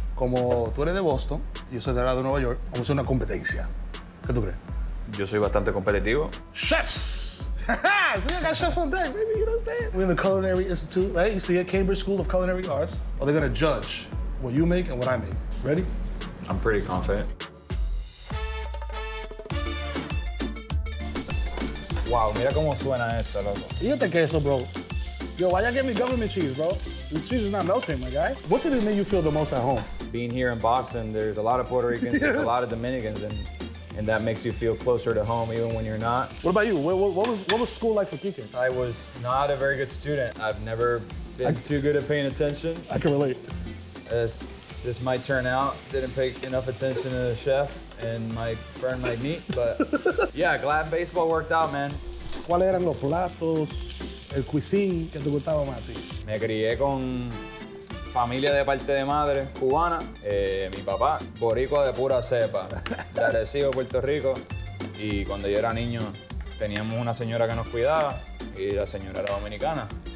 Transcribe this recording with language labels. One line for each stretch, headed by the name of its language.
Spanish: Como tú eres de Boston, yo soy de la de Nueva York, vamos a hacer una competencia. ¿Qué tú crees? Yo soy bastante competitivo.
English: Chefs! See, I got chefs on deck, baby, you know what I'm saying? We're in the Culinary Institute, right? You see at Cambridge School of Culinary Arts. Oh, they're gonna judge what you make and what I make. Ready? I'm pretty confident.
Spanish: Wow, mira cómo suena esto, loco.
English: Fíjate que eso, bro. Yo, why y'all get me government cheese, bro? This cheese is not melting, my guy. What's it that made you feel the most at home? Being here in Boston, there's a lot of Puerto Ricans, yeah. There's a lot of Dominicans, and that makes you feel closer to home even when you're not. What about you? What was school like for Kiké? I was not a very good student. I've never been too good at paying attention. I can relate. This might turn out. Didn't pay enough attention to the chef and might burn my meat, but yeah, glad baseball worked out, man.
Spanish: ¿Cuáles eran los platos, el cuisine que te gustaba más a ti? Me crié con familia de parte de madre, cubana, mi papá, boricua de pura cepa, de Arecibo, Puerto Rico. Y cuando yo era niño, teníamos una señora que nos cuidaba y la señora era dominicana.